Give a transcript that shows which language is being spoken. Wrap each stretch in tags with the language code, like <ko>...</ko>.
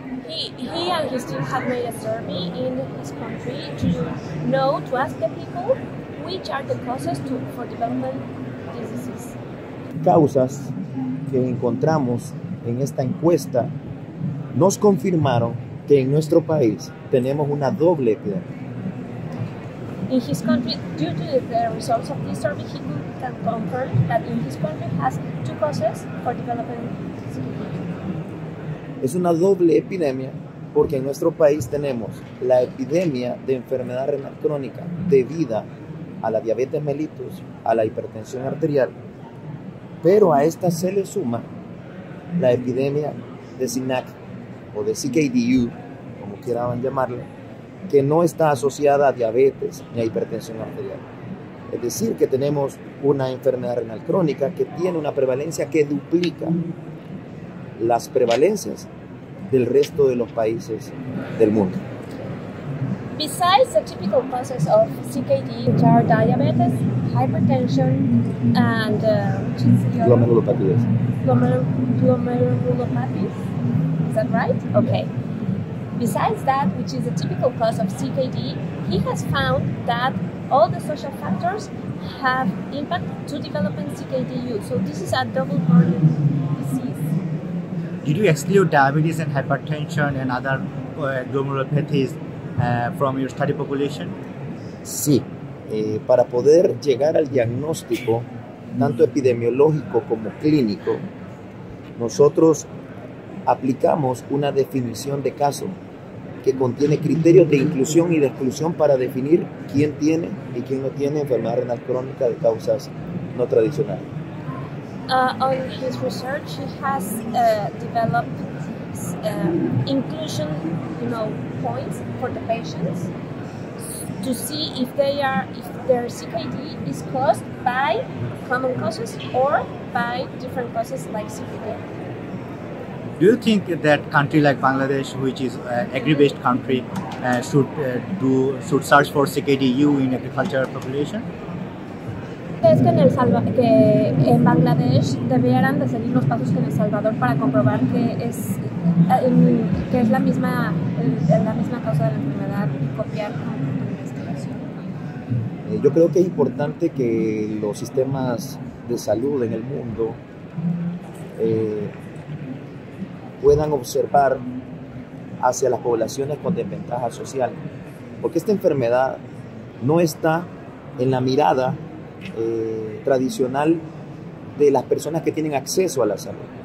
<en>He and his team have made a survey in his country to ask the people which are the causes for development diseases.</en> <es>Causas que encontramos en esta encuesta nos confirmaron que en nuestro país tenemos una doble epidemia.</es> <en>In his country, due to the results of this survey, he can confirm that in his country has two causes for developing skin.</en> <es>Es una doble epidemia porque en nuestro país tenemos la epidemia de enfermedad renal crónica debida a la diabetes mellitus, a la hipertensión arterial, pero a esta se le suma la epidemia de SINAC, o de CKDU, como quieran llamarlo, que no está asociada a diabetes ni a hipertensión arterial. Es decir, que tenemos una enfermedad renal crónica que tiene una prevalencia que duplica las prevalencias del resto de los países del mundo.</es> <en>Besides the typical causes of CKD, which are diabetes, hypertension, and glomerulopathies. Glomerulopathies. Is that right? Okay. Besides that, which is a typical cause of CKD, he has found that all the social factors have impact to developing CKDU. So this is a double burden disease. Did you exclude diabetes and hypertension and other glomerulopathies from your study population?</en> <es>Sí. Para poder llegar al diagnóstico, tanto epidemiológico como clínico, nosotros aplicamos una definición de caso que contiene criterios de inclusión y de exclusión para definir quién tiene y quién no tiene enfermedad renal crónica de causas no tradicionales.</es> <en>On his research, he has developed inclusion, you know, points for the patients to see if they are, if their CKD is caused by common causes or by different causes like CKD. Do you think that country like Bangladesh, which is an agri-based country, should search for CKD-U in agriculture population?</en> <es>¿Crees que en Bangladesh deberían de seguir los pasos que en El Salvador para comprobar que es la misma causa de la enfermedad y copiar con investigación? Yo creo que es importante que los sistemas de salud en el mundo puedan observar hacia las poblaciones con desventaja social, porque esta enfermedad no está en la mirada tradicional de las personas que tienen acceso a la salud.</es>